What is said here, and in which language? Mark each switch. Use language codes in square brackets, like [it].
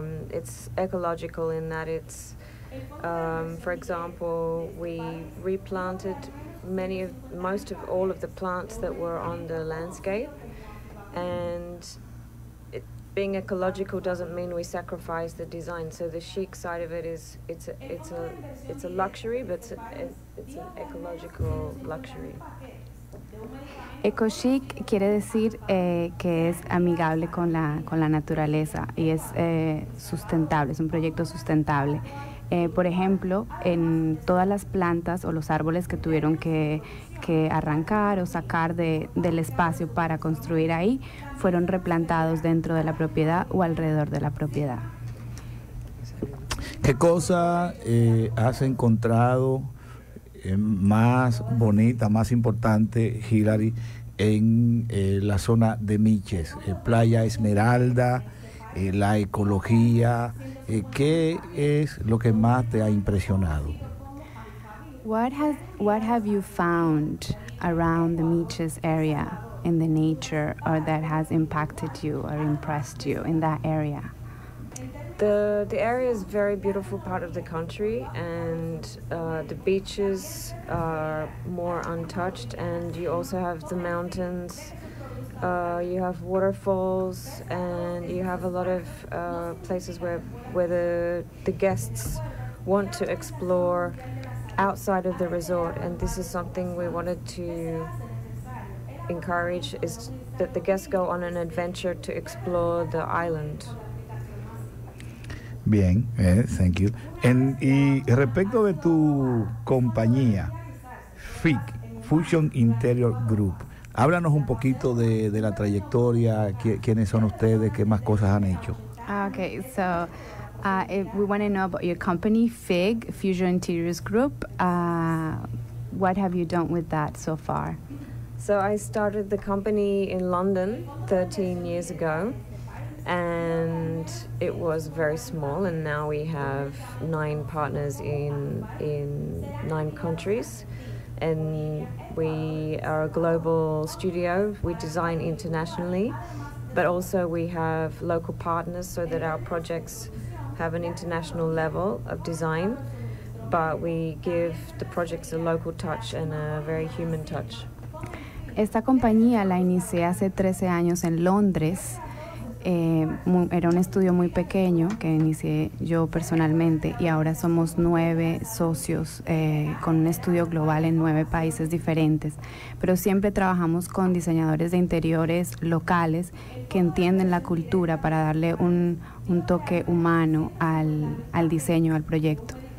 [en] It's ecological in that it's, for example, we replanted most of all of the plants that were on the landscape, and it, being ecological doesn't mean we sacrifice the design. So the chic side of it is it's a luxury, but it's an ecological luxury. [es] Eco chic quiere decir que es amigable con la naturaleza y es sustentable, es un proyecto sustentable. Por ejemplo, en todas las plantas o los árboles que tuvieron que arrancar o sacar del espacio para construir ahí, fueron replantados dentro de la propiedad o alrededor de la propiedad. ¿Qué cosa has encontrado más bonita, más importante, Hilary, en la zona de Mitch's? Playa Esmeralda, la ecología. ¿Qué es lo que más te ha impresionado? [en] What have you found around the Miches area in the nature, or that has impacted you or impressed you in that area? The area is very beautiful part of the country, and the beaches are more untouched, and you also have the mountains, you have waterfalls, and you have a lot of places where the guests want to explore outside of the resort. And this is something we wanted to encourage, is that the guests go on an adventure to explore the island. [es] Bien, [en] thank you. [es] Y respecto de tu compañía, FIC, Fusion Interior Group, háblanos un poquito de la trayectoria, quiénes son ustedes, qué más cosas han hecho. [en] Okay, so we want to know about your company, FIG, Fusion Interiors Group. What have you done with that so far? So I started the company in London 13 years ago. And it was very small, and now we have 9 partners in 9 countries, and we are a global studio. We design internationally, but also we have local partners so that our projects have an international level of design, but we give the projects a local touch and a very human touch. [es] Esta compañía la inicié hace 13 años en Londres. Era un estudio muy pequeño que inicié yo personalmente, y ahora somos 9 socios con un estudio global en 9 países diferentes. Pero siempre trabajamos con diseñadores de interiores locales que entienden la cultura para darle un toque humano al diseño, al proyecto.